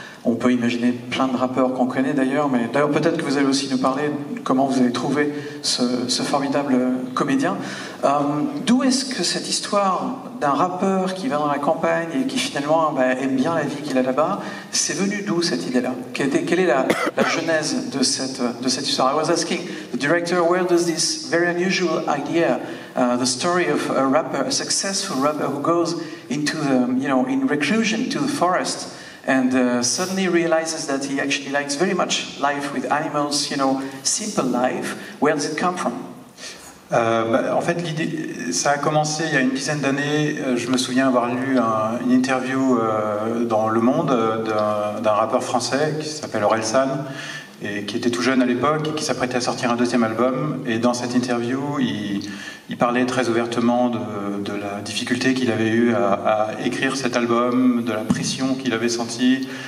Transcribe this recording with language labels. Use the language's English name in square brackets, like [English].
[French] On peut imaginer plein de rappeurs qu'on connaît d'ailleurs, mais d'ailleurs peut-être que vous allez aussi nous parler de comment vous avez trouvé ce formidable comédien. D'où est-ce que cette histoire d'un rappeur qui va dans la campagne et qui finalement aime bien la vie qu'il a là-bas, c'est venu d'où cette idée-là? Quelle est la genèse de cette histoire? [English] I was asking the director, where does this very unusual idea, the story of a rapper, a successful rapper who goes into the, you know, in reclusion to the forest, and suddenly realizes that he actually likes very much life with animals, you know, simple life. Where does it come from? [French] En fait, l'idée, ça a commencé il y a une dizaine d'années. Je me souviens avoir lu une interview dans Le Monde d'un rappeur français qui s'appelle Orelsan San, et qui était tout jeune à l'époque et qui s'apprêtait à sortir un deuxième album. Et dans cette interview, il parlait très ouvertement de la difficulté qu'il avait eue à écrire cet album, de la pression qu'il avait sentie.